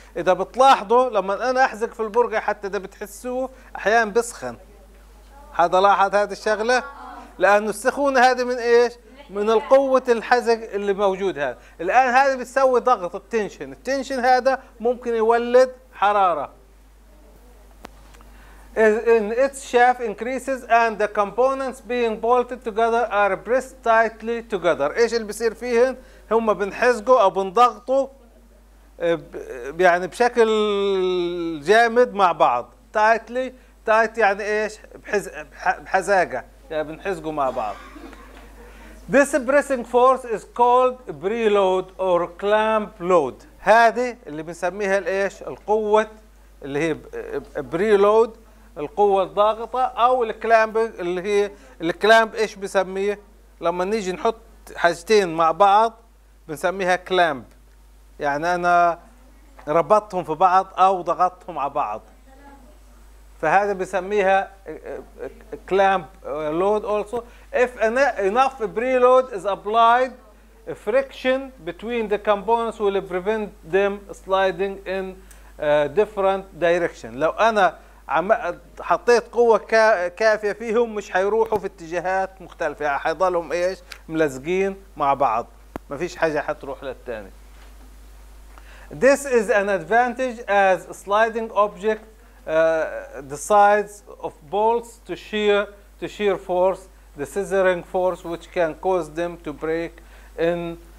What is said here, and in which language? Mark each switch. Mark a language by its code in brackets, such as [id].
[ar] إذا بتلاحظوا لما أنا أحزق في البرغي، حتى إذا بتحسوه أحيانا بسخن. هذا لاحظ هذه الشغلة؟ لأنه السخونة هذه من إيش؟ من القوة الحزق اللي موجود هذا. الآن هذا بيسوي ضغط التنشن. التنشن هذا ممكن يولد حرارة. [en] In its shaft increases and the components being bolted together are pressed tightly together. [ar] إيش اللي بيصير فيهن؟ هم بنحزقوا أو بنضغطوا يعني بشكل جامد مع بعض. [en] Tightly. [ar] Tight يعني إيش؟ بحزاقة، يعني بنحزقوا مع بعض. [en] This pressing force is called preload or clamp load. [ar] هذه اللي بنسميها الإيش؟ القوة اللي هي preload، القوة الضاغطة، أو الكلامب اللي هي الكلامب. إيش بسميه لما نيجي نحط حاجتين مع بعض؟ بنسميها كلامب، يعني أنا ربطتهم في بعض أو ضغطتهم على بعض، فهذا بسميها كلامب لود. [en] Also if enough preload is applied, friction between the components will prevent them sliding in different direction. [ar] لو أنا حطيت قوة كافية فيهم مش هيروحوا في اتجاهات مختلفة، يعني هيضلهم ايش؟ ملزقين مع بعض، ما فيش حاجة حتروح للتاني. [en] This is an advantage as sliding object decides of bolts to shear force, the scissoring force which can cause them to break in